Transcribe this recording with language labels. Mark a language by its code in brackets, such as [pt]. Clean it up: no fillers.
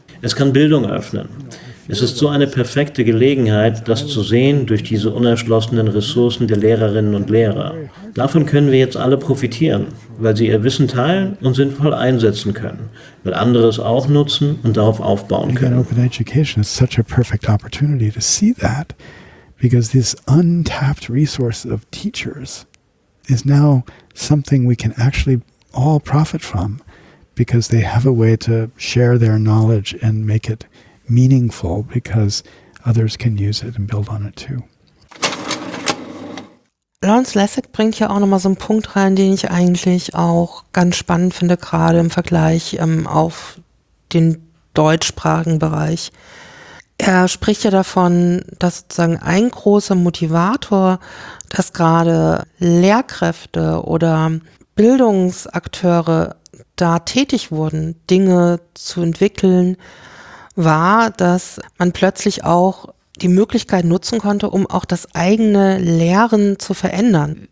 [de] Es kann Bildung öffnen. Es ist so eine perfekte Gelegenheit, das zu sehen durch diese unerschlossenen Ressourcen der Lehrerinnen und Lehrer. Davon können wir jetzt alle profitieren, weil sie ihr Wissen teilen und sinnvoll einsetzen können, weil andere es auch nutzen und darauf aufbauen können. [en] Open Education is such a perfect opportunity to see that, because this untapped resource of teachers is now something we can actually all profit from, because they have a way to share their knowledge and make it meaningful, because others can use it and build on it too. [de] Lawrence Lessig bringt hier auch nochmal so einen Punkt rein, den ich eigentlich auch ganz spannend finde, gerade im Vergleich auf den deutschsprachigen Bereich. Er spricht ja davon, dass sozusagen ein großer Motivator, dass gerade Lehrkräfte oder Bildungsakteure da tätig wurden, Dinge zu entwickeln, war, dass man plötzlich auch die Möglichkeit nutzen konnte, um auch das eigene Lehren zu verändern.